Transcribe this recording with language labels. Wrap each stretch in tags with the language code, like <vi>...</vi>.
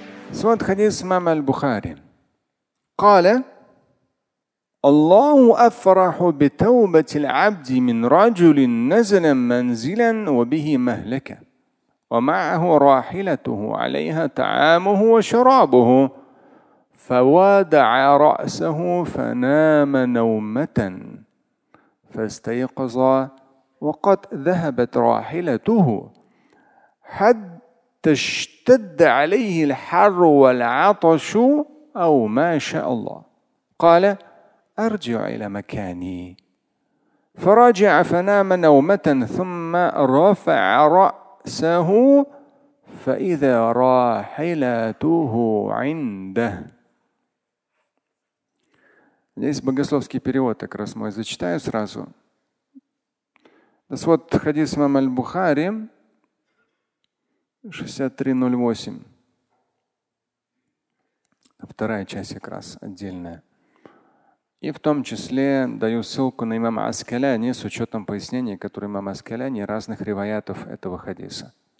<ru>Смотрит хадис имама аль-Бухари.</ru> <ar>قال الله أفرح بتوبة العبد من رجل نزل منزلا وبه مهلكة ومعه راحلته عليها طعامه وشرابه فوادع رأسه فنام نومة فاستيقظ وقد ذهبت راحلته حتى اشتد عليه الحر والعطش أو ما شاء الله قال أرجع إلى مكاني فراجع فنام نومة ثم رفع رأسه فإذا راحلته عنده.</ar> <ru>Здесь богословский перевод, как раз мой зачитаю сразу. Вот хадис имама аль-Бухари 6308. Вторая часть как раз отдельная. И в том числе даю ссылку на имама Аскаляни с учетом пояснений, которые имама Аскаляни разных риваятов этого хадиса.</ru>